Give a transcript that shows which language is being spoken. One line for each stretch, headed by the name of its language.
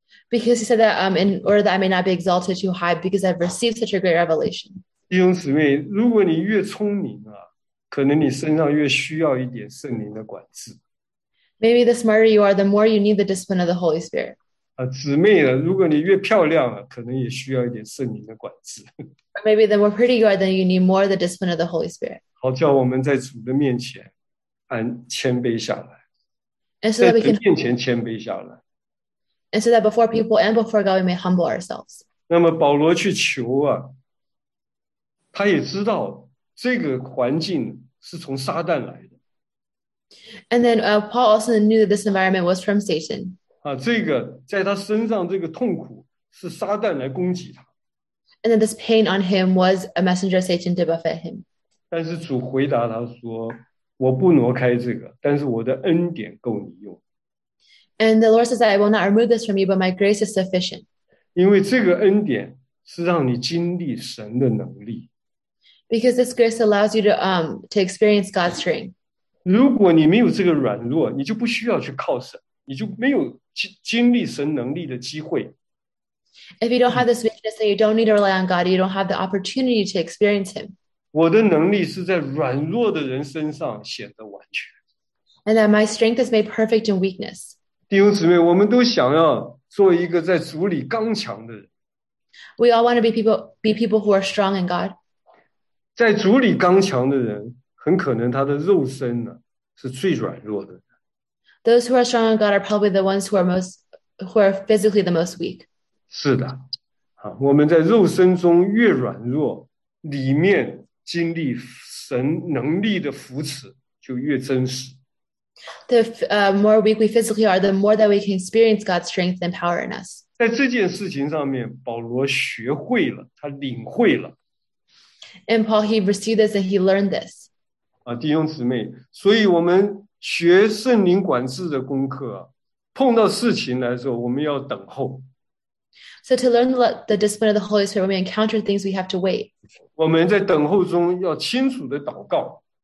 English: Because he said that in order that I may not be exalted too high because I've received such a great revelation.
Chinese: 弟兄姊妹，如果你越聪明啊，可能你身上越需要一点圣灵的管制。
English: Maybe the smarter you are, the more you need the discipline of the Holy Spirit.
Chinese: 姊妹啊，如果你越漂亮啊，可能也需要一点圣灵的管制。
English: Maybe the more pretty you are, then you need more the discipline of the Holy Spirit.
Chinese: 好，叫我们在主的面前安谦卑下来。
English: And so that we can
Chinese: 在面前谦卑下来。
English: And so that before people and before God, we may humble ourselves.
Chinese: 那么保罗去求啊，他也知道这个环境是从撒旦来的。
English: And then Paul also knew that this environment was from Satan.
Chinese: 啊，这个在他身上这个痛苦是撒旦来攻击他。
English: And then this pain on him was a messenger of Satan to buffet him.
Chinese: 但是主回答他说，我不挪开这个，但是我的恩典够你用。
English: And the Lord says that I will not remove this from you, but my grace is sufficient.
Chinese: 因为这个恩典是让你经历神的能力。
English: Because this grace allows you to experience God's strength.
Chinese: 如果你没有这个软弱，你就不需要去靠神，你就没有经历神能力的机会。
English: If you don't have this weakness, then you don't need to rely on God. You don't have the opportunity to experience Him.
Chinese: 我的能力是在软弱的人身上显得完全。
English: And that my strength is made perfect in weakness.
Chinese: 弟兄姊妹，我们都想要做一个在主里刚强的人。
English: We all want to be people who are strong in God.
Chinese: 在主里刚强的人，很可能他的肉身呢是最软弱的。
English: Those who are strong in God are probably the ones who are physically the most weak.
Chinese: 是的，我们在肉身中越软弱，里面经历神能力的扶持就越真实。
English: The more weak we physically are, the more that we can experience God's strength and power in us.
Chinese: 在这件事情上面，保罗学会了，他领会了。
English: And Paul, he received this and he learned this.
Chinese: 弟兄姊妹，所以我们学圣灵管制的功课，碰到事情来说，我们要等候。
English: So to learn the discipline of the Holy Spirit, when we encounter things, we have to wait.
Chinese: 我们在等候中要清楚的祷告。